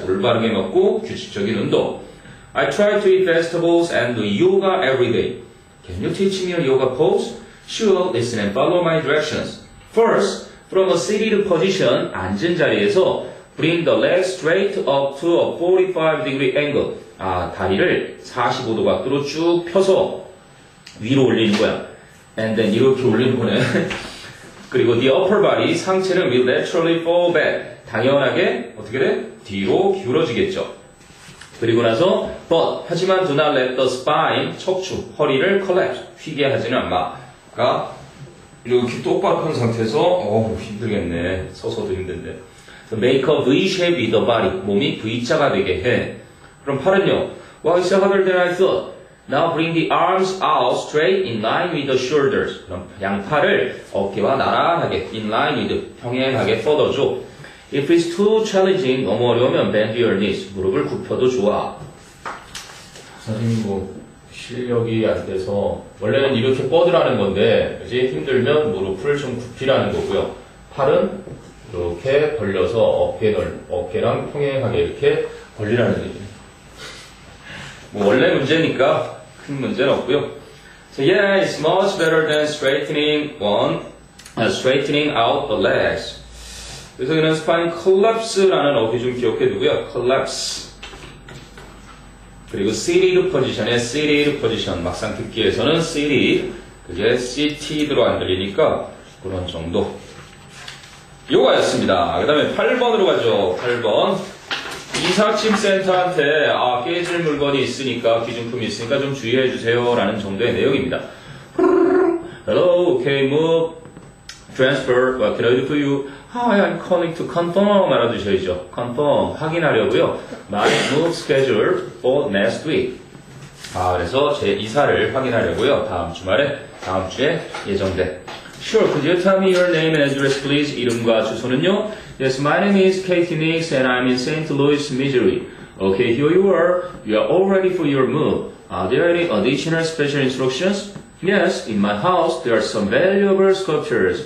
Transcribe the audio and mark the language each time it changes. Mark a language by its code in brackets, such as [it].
[ko] 올바르게 먹고 규칙적인 운동. [en] I try to eat vegetables and do yoga every day. Can you teach me a yoga pose? Sure, listen and follow my directions. First, from a seated position, [ko] 앉은 자리에서 [en] bring the legs straight up to a 45 degree angle. [ko] 아, 다리를 45도 각도로 쭉 펴서 위로 올리는 거야. [en] And then [ko] 이렇게 올리는 거네. 그리고 [en] the upper body, [ko] 상체는 [en] will naturally fall back. [ko] 당연하게, 어떻게 돼? 뒤로 기울어지겠죠. 그리고 나서, [en] but, [ko] 하지만 [en] do not let the spine, [ko] 척추, 허리를 [en] collapse, [ko] 휘게 하지는 마. 그러니까, 이렇게 똑바로 한 상태에서, 어우, 힘들겠네. 서서도 힘든데. [en] So make a V-shape with the body, [ko] 몸이 V자가 되게 해. 그럼 팔은요? [en] Well, it's harder than I thought. Now bring the arms out straight in line with the shoulders. [ko] 그럼 양팔을 어깨와 나란하게 [en] in line with, [ko] 평행하게 뻗어줘. [en] If it's too challenging, [ko] 너무 어려우면 [en] bend your knees. [ko] 무릎을 굽혀도 좋아. 선생님 뭐 실력이 안 돼서 원래는 이렇게 뻗으라는 건데 이제 힘들면 무릎을 좀 굽히라는 거고요. 팔은 이렇게 벌려서 어깨랑 평행하게 이렇게 벌리라는 얘기. 뭐 원래 문제니까 큰 문제는 없고요. [en] So yeah, it's much better than straightening one, straightening out the legs. [ko] 그래서 그냥 spine collapse라는 어휘 좀 기억해두고요. collapse. 그리고 시리드 포지션의 시리드 포지션 막상 듣기에서는 시리 그게 시티드로 안 들리니까 그런 정도 요거였습니다. 그 다음에 8번으로 가죠. 8번 이삭짐 센터한테 아 깨질 물건이 있으니까 귀중품이 있으니까 좀 주의해 주세요 라는 정도의 내용입니다. [en] Hello, can you move, transfer, what can I do for you? Hi, I'm calling to confirm. [ko] 알아두셔야죠. [en] Confirm, [ko] 확인하려고요. [en] My move schedule for next week. [ko] 아, 그래서 제 이사를 확인하려고요. 다음 주말에, 다음 주에 예정돼. [en] Sure, could you tell me your name and address, please? [ko] 이름과 주소는요? [en] Yes, my name is Katie Nix and I'm in St. Louis, Missouri. Okay, here you are. You are all ready for your move. Are there any additional special instructions? Yes, in my house, there are some valuable sculptures.